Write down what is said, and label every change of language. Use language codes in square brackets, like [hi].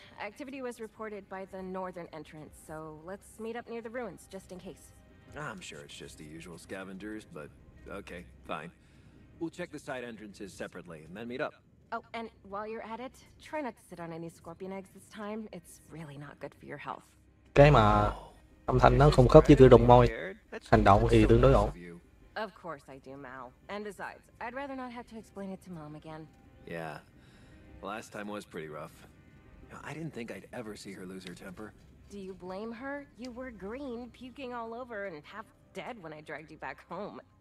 [en] Activity was reported by the northern entrance, so let's meet up near the ruins, just in case. I'm sure it's just the usual scavengers, but okay, fine. We'll check the side entrances separately and then meet up. Oh, and while you're at it, try not to sit on any scorpion eggs this time. It's really not good for your health. [vi] Cái mà âm thanh nó không khớp với cử động môi, hành động thì tương đối ổn. [en] Of course I do, Mal. And besides, I'd rather not have to explain it to Mom again. Yeah, last time was pretty rough. I didn't think I'd ever see her lose her temper. Do you blame her? You were green, puking all over, and half dead when I dragged you back home.